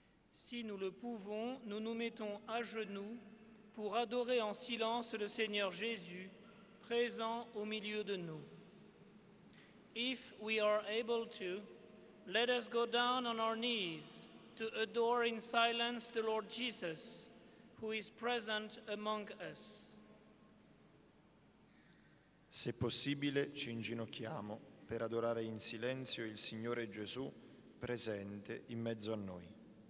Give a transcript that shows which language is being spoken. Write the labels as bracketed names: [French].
[French] Si nous le pouvons, nous nous mettons à genoux pour adorer en silence le Seigneur Jésus, présent au milieu de nous. [English] If we are able to, let us go down on our knees to adore in silence the Lord Jesus, who is present among us. [Italian] Se possibile, ci inginocchiamo per adorare in silenzio il Signore Gesù, presente in mezzo a noi.